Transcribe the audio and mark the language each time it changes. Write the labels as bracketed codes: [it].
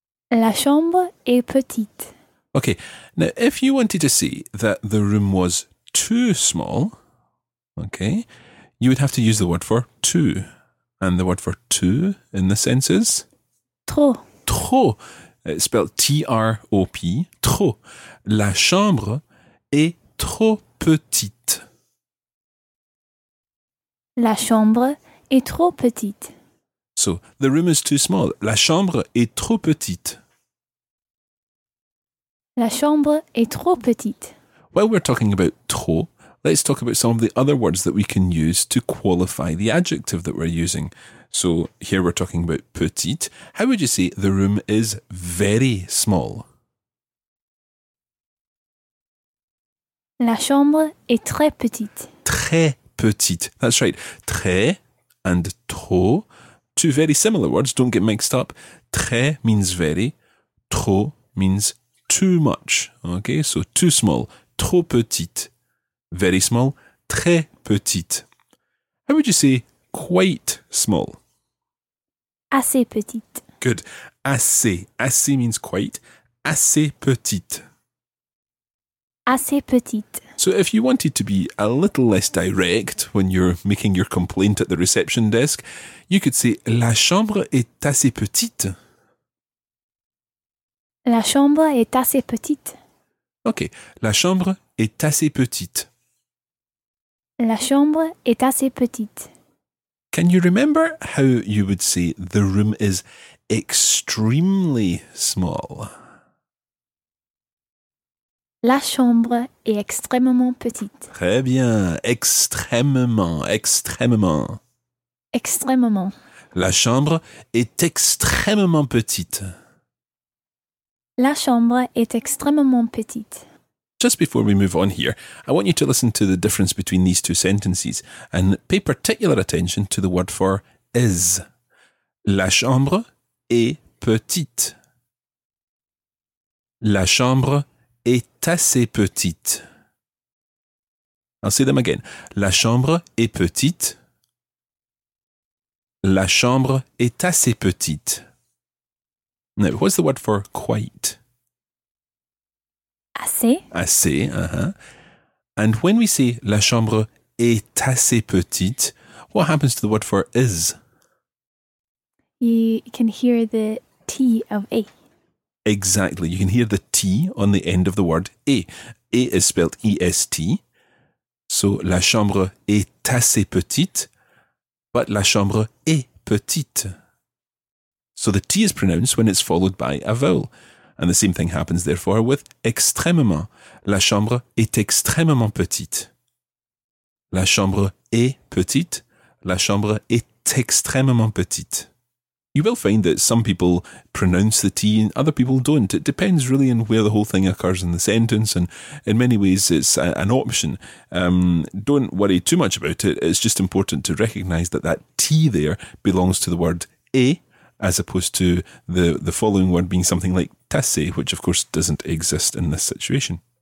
[fr] La chambre est petite. [en] Okay, now if you wanted to say that the room was too small, okay, you would have to use the word for too. And the word for too in the sense is? [fr] Trop. [en] Trop. It's spelled T-R-O-P. Trop. [fr] La chambre est trop petite. La chambre est trop petite. [en] So, the room is too small. [fr] La chambre est trop petite. La chambre est trop petite. [en] While we're talking about trop, let's talk about some of the other words that we can use to qualify the adjective that we're using. So here we're talking about petite. How would you say the room is very small? [fr] La chambre est très petite. Très petite. [en] That's right. Très and trop, two very similar words. Don't get mixed up. Très means very. Trop means too much. Okay, so too small. [fr] Trop petite. [en] Very small, [fr] très petite. [en] How would you say quite small? [fr] Assez petite. [en] Good. Assez. Assez means quite. [fr] Assez petite. Assez petite. [en] So if you wanted to be a little less direct when you're making your complaint at the reception desk, you could say [fr] la chambre est assez petite. La chambre est assez petite. [en] Okay. [fr] La chambre est assez petite. La chambre est assez petite. [en] Can you remember how you would say the room is extremely small? [fr] La chambre est extrêmement petite. Très bien. Extrêmement. Extrêmement. Extrêmement. La chambre est extrêmement petite. La chambre est extrêmement petite. [en] Just before we move on here, I want you to listen to the difference between these two sentences and pay particular attention to the word for is. [fr] La chambre est petite. La chambre est assez petite. [en] I'll say them again. [fr] La chambre est petite. La chambre est assez petite. [en] Now, what's the word for quite? [fr] Assez. [en] Assez, And when we say [fr] la chambre est assez petite, [en] what happens to the word for is? You can hear the T of A. Exactly. You can hear the T on the end of the word A. A is spelled E-S-T. So [fr] la chambre est assez petite, [en] but [fr] la chambre est petite. [en] So the T is pronounced when it's followed by a vowel. And the same thing happens, therefore, with extrêmement. [fr] La chambre est extrêmement petite. La chambre est petite. La chambre est extrêmement petite. [en] You will find that some people pronounce the T and other people don't. It depends really on where the whole thing occurs in the sentence, and in many ways it's an option. Don't worry too much about it. It's just important to recognise that that T there belongs to the word E, as opposed to the following word being something like tasse, which of course doesn't exist in this situation.